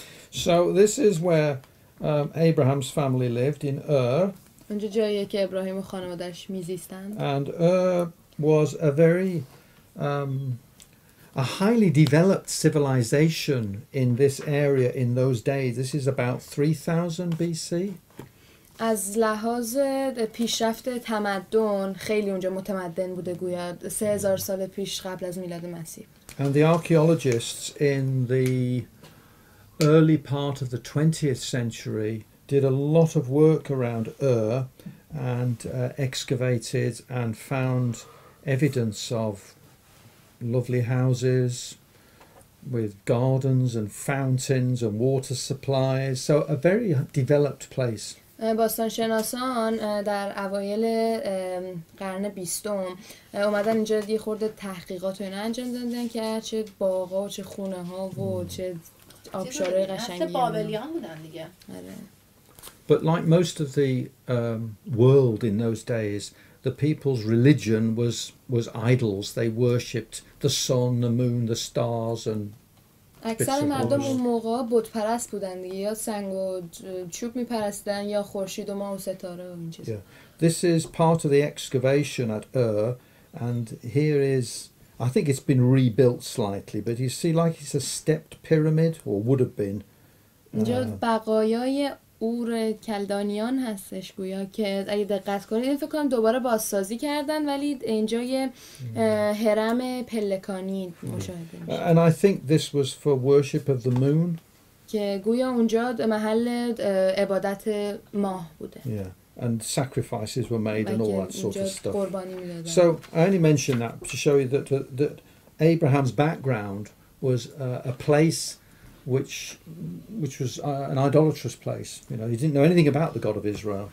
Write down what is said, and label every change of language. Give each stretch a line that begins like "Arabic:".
English: So this is where Abraham's family lived in Ur.
Persian: اونجا جایی که ابراهیم و خانواده‌اش می‌زیستند.
English: And Ur was a very a highly developed civilization in this area in those days. This is about 3000 BC.
Persian: از لحاظ پیشرفت تمدن خیلی اونجا متمدن بوده گویا 3000 سال پیش قبل از میلاد مسیح.
English: And the archaeologists in the early part of the 20th century did a lot of work around Ur and excavated and found evidence of lovely houses with gardens and fountains and water supplies. So a very developed place.
Persian: باستانشناسان در اوایل قرن بیستم اومدن اینجا یه خورده تحقیقات و اینا انجام دادن که چه باغا و چه خونه ها و چه آبشارهای قشنگی هستن. بابلیان بودن دیگه.
English: But like most of the world in those days, the people's religion was idols. They worshipped the sun, the moon, the stars and
Persian: اکثر مردم اون موقع بت پرست بودن دیگه یا سنگ و چوب می‌پرستیدن یا خورشید و ماه و ستاره و این چیزا.
English: This is part of the excavation at Ur and here is I think it's been rebuilt slightly but you see like it's a stepped pyramid or would have been.
Persian: اینجا بقایای اور کلدانیان هستش گویا، که اگه دقت کنید این فکر کنم دوباره بازسازی کردن، ولی اینجا یه هرم پلکانی مشاهده میشه.
English: And I think this was for worship of the moon.
Persian: که گویا اونجا محل عبادت ماه بوده.
English: Yeah. And sacrifices were made and all that sort of stuff. So I only mention that to show you that that Abraham's background was a place which was an idolatrous place. You know, he didn't know anything about the God of Israel.